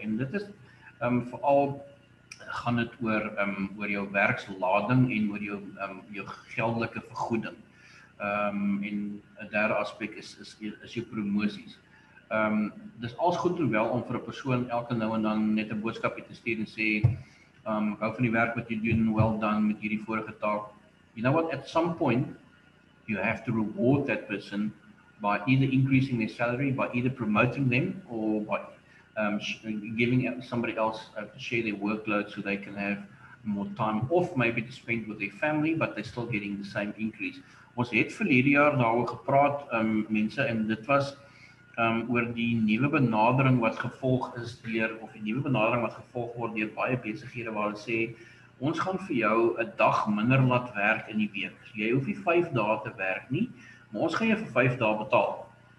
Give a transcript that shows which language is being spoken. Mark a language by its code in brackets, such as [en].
[af] En dit is veral gaan dit oor oor jou werkslading en oor jou jou geldelike vergoeding. En 'n derde aspek is jou promosies. Dis als goed en wel om vir 'n persoon elke nou en dan net 'n boodskapie te stuur en sê ek hou van die werk wat jy doen, [en] well done [af] met hierdie vorige taak. [en] You know what, at some point, you have to reward that person by either increasing their salary, by either promoting them, or by giving somebody else to share their workload so they can have more time off, maybe to spend with their family, but they're still getting the same increase. [af] Ons het verlede jaar daaroor gepraat, mense, en dit was oor die nuwe benadering wat gevolg is deur, of die nuwe benadering wat gevolg word deur baie besighede waar hulle sê, ons gaan vir jou 'n dag minder laat werk in die week. Jy hoef nie 5 dae te werk nie, maar ons gaan jou vir 5 dae betaal.